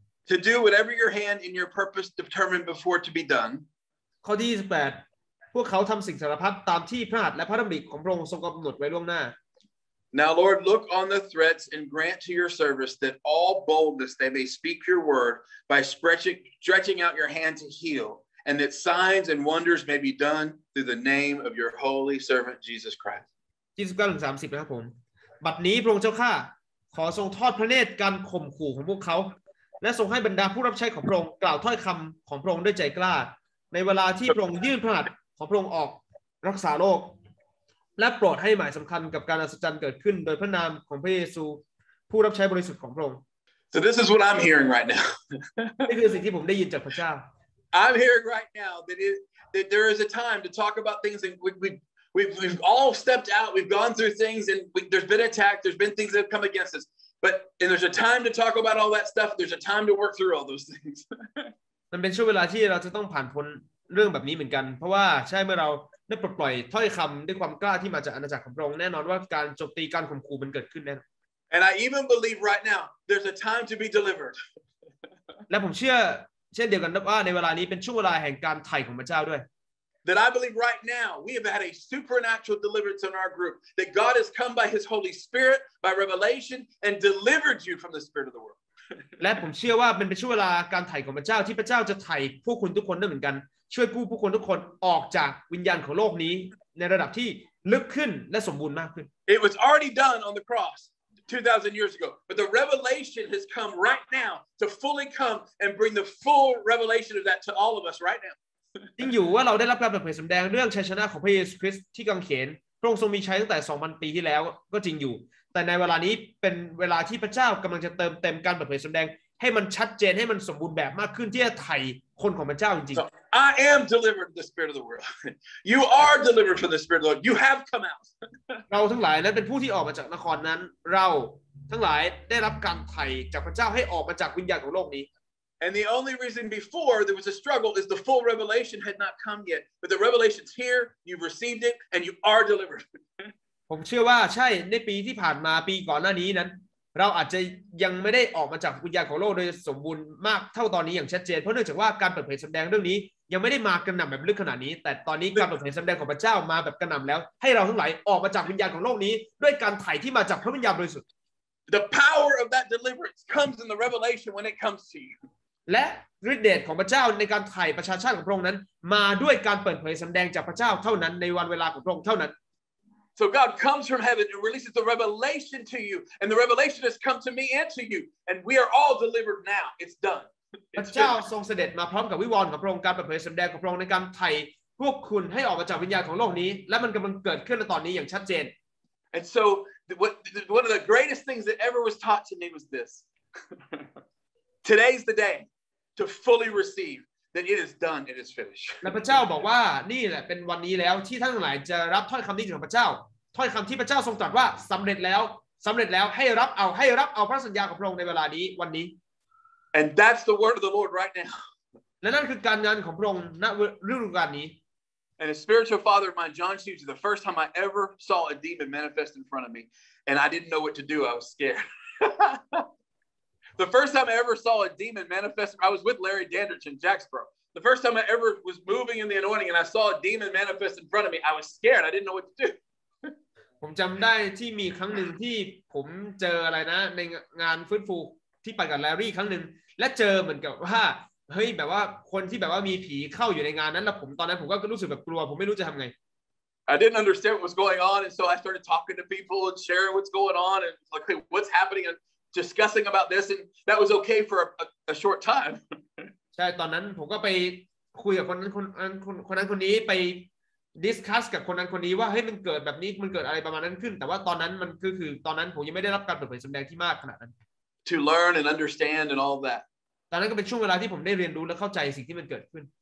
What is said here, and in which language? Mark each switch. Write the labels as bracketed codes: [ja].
[en] To do whatever your hand in your purpose determined before to be done. [th] ข้อที่28พวกเขาทำสิ่งสารพัดตามที่พระหัตถ์และพระดำริของพระองค์ทรงกำหนดไว้ล่วงหน้า [en] Now, Lord, look on the threats and grant to your servants that all boldness they may speak your word by stretching out your hand to heal, and that signs and wonders may be done through the name of your holy servant Jesus Christ. [th] 29:30 นะครับผมบัดนี้พระองค์เจ้าข้าขอทรงทอดพระเนตรการข่มขู่ของพวกเขาและทรงให้บรรดาผู้รับใช้ของพระองค์กล่าวถ้อยคำของพระองค์ด้วยใจกล้าในเวลาที่พระองค์ยื่นพระหัตถ์ของพระองค์ออกรักษาโรคและโปรดให้หมายสำคัญกับการอัศจรรย์เกิดขึ้นโดยพระนามของพระเยซูผู้รับใช้บริสุทธิ์ของพระองค์ [en] So this is what I'm hearing right now. [th] นี่คือสิ่งที่ผมได้ยินจากพระเจ้า [en] I'm hearing right now that there is a time to talk about things and we We've all stepped out. We've gone through things, and there's been attack. There's been things that have come against us. But and there's a time to talk about all that stuff. There's a time to work through all those things. [th] มันเป็นช่วงเวลาที่เราจะต้องผ่านพ้นเรื่องแบบนี้เหมือนกันเพราะว่าใช่เมื่อเราได้ปลดปล่อยถ้อยคำด้วยความกล้าที่มาจากอาณาจักรของพระองค์แน่นอนว่าการโจมตีการข่มขู่มันเกิดขึ้นแน่นอน [en] And I even believe right now there's a time to be delivered. [th] และผมเชื่อเช่นเดียวกันว่าในเวลานี้เป็นช่วงเวลาแห่งการไถ่ของพระเจ้าด้วย [en] That I believe right now we have had a supernatural deliverance in our group. That God has come by His Holy Spirit, by revelation, and delivered you from the spirit of the world. [th] และผมเชื่อว่ามันเป็นช่วงเวลาการไถ่ของพระเจ้าที่พระเจ้าจะไถ่ผู้คนทุกคนได้เหมือนกันช่วยกู้ผู้คนทุกคนออกจากวิญญาณของโลกนี้ในระดับที่ลึกขึ้นและสมบูรณ์มากขึ้น [en] It was already done on the cross 2,000 years ago, but the revelation has come right now to fully come and bring the full revelation of that to all of us right now. [th] จริงอยู่ว่าเราได้รับการเปิดเผยสำแดงเรื่องชัยชนะของพระเยซูคริสต์ที่กางเขนพระองค์ทรงมีชัยตั้งแต่ 2,000 ปีที่แล้วก็จริงอยู่แต่ในเวลานี้เป็นเวลาที่พระเจ้ากำลังจะเติมเต็มการเปิดเผยสำแดงให้มันชัดเจนให้มันสมบูรณ์แบบมากขึ้นที่จะไถ่คนของพระเจ้าจริง [en] ๆ I am delivered from the spirit of the world. You are delivered from the spirit of the world. You have come out. [th] เราทั้งหลายนั้นเป็นผู้ที่ออกมาจากนครนั้นเราทั้งหลายได้รับการไถ่จากพระเจ้าให้ออกมาจากวิญญาณของโลกนี้ [en] And the only reason before there was a struggle is the full revelation had not come yet. But the revelation's here. You've received it, and you are delivered. [th] ผมเชื่อว่าใช่ในปีที่ผ่านมาปีก่อนหน้านี้นั้นเราอาจจะยังไม่ได้ออกมาจากวิญญาณของโลกโดยสมบูรณ์มากเท่าตอนนี้อย่างชัดเจนเพราะเนื่องจากว่าการเปิดเผยสำแดงเรื่องนี้ยังไม่ได้มากระหน่ำแบบลึกขนาดนี้แต่ตอนนี้การเปิดเผยสำแดงของพระเจ้ามาแบบกระหน่ำแล้วให้เราทั้งหลายออกมาจากวิญญาณของโลกนี้ด้วยการไถ่ที่มาจากพระวิญญาณบริสุทธิ์ [en] The power of that deliverance comes in the revelation when it comes to you. [th] และฤทธิ์เดชของพระเจ้าในการไถ่ประชาชาติของพระองค์นั้นมาด้วยการเปิดเผยสำแดงจากพระเจ้าเท่านั้นในวันเวลาของพระองค์เท่านั้น [en] So God comes from heaven and releases the revelation to you and the revelation has come to me and to you and we are all delivered now it's done [th] พระเจ้าทรงเสด็จมาพร้อมกับวิวรณ์ของพระองค์การเปิดเผยสำแดงของพระองค์ในการไถ่พวกคุณให้ออกมาจากวิญญาณของโลกนี้และมันกำลังเกิดขึ้นในตอนนี้อย่างชัดเจน [en] And so one of the greatest things that ever was taught to me was this Today's the dayTo fully receive that it is done, it is finished. [th] และพระเจ้าบอกว่านี่แหละเป็นวันนี้แล้วที่ท่านทั้งหลายจะรับถ้อยคำนี้ของพระเจ้าถ้อยคำที่พระเจ้าทรงตรัสว่าสำเร็จแล้วสำเร็จแล้วให้รับเอาให้รับเอาพระสัญญาของพระองค์ในเวลานี้วันนี้ [en] And that's the word of the Lord right now. [th] และนั่นคือการงานของพระองค์ณฤดูกาลนี้ [en] And a spiritual father of mine, John Hughes, the first time I ever saw a demon manifest in front of me, and I didn't know what to do. I was scared. The first time I ever saw a demon manifest, I was with Larry Dandridge in Jacksboro. The first time I ever was moving in the anointing and I saw a demon manifest in front of me, I was scared. I didn't know what to do. [th] ผมจําได้ที่มีครั้งนึงที่ผมเจออะไรนะในงานฟื้นฟูที่ไปกับ Larry ครั้งนึงและเจอเหมือนกับว่าเฮ้ยแบบว่าคนที่แบบว่ามีผีเข้าอยู่ในงานนั้นแล้วผมตอนนั้นผมก็รู้สึกแบบกลัวผมไม่รู้จะทําไง [en] I didn't understand what was going on and so I started talking to people and sharing what's going on and like hey, what's happening andDiscussing about this, and that was okay for a short time. [th] ใช่ตอนนั้นผมก็ไปคุยกับคนนั้นคนนี้ไป discuss กับคนนั้นคนนี้ว่าเฮ้ยมันเกิดแบบนี้มันเกิดอะไรประมาณนั้นขึ้นแต่ว่าตอนนั้นมันคือตอนนั้นผมยังไม่ได้รับการเปิดเผยสำแดงที่มากขนาดนั้น [en] To learn and understand and all that. [th] ตอนนั้นก็เป็นช่วงเวลาที่ผมได้เรียนรู้และเข้าใจสิ่งที่มันเกิดขึ้น